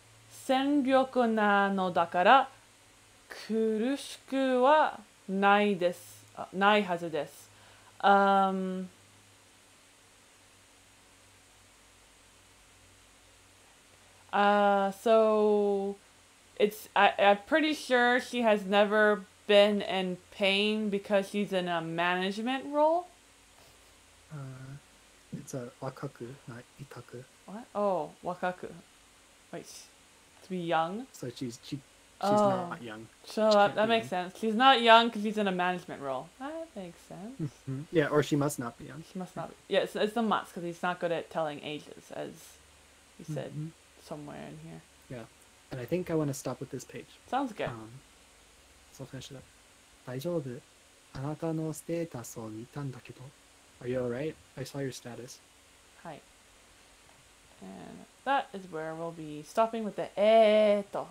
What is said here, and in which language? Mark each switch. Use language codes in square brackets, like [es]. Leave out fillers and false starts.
[ja] 戦力なのだから苦しくはないです。ないはずです。 [en] So it's I'm pretty sure she has never been in pain because she's in a management role. It's a wakaku, not itaku. What? Oh, wakaku. Wait, to be young. So she's She's not young. So that makes sense. She's not young because she's in a management role. That makes sense. Mm-hmm. Yeah, or she must not be young. She must not be. Yeah, it's the must because he's not good at telling ages, as you said somewhere in here. Yeah, and I think I want to stop with this page. Sounds good. So finish it up. [ja] 大丈夫? あなたのステータスを見たんだけど. [en] Are you alright? I saw your status. Hi. And that is where we'll be stopping with the to.